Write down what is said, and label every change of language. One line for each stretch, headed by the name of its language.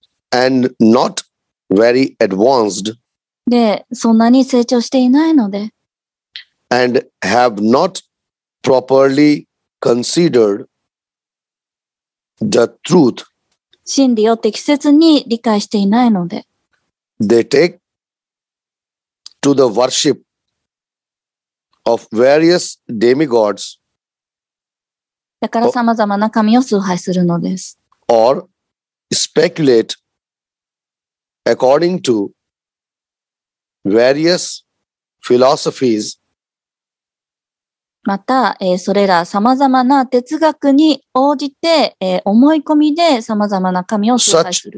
English: And not very advanced.
Japanese: で、そんなに成長していないので。
English: And have notproperly considered the truth.
Japanese: 真理を適切に理解していないので。
English: They take to the worship of various demigods.
Japanese: だから様々な神を崇拝するのです。
English: Or speculate according to various philosophies.
Japanese: また、それら様々な哲学に応じて、思い込みで様々な神を崇拝する。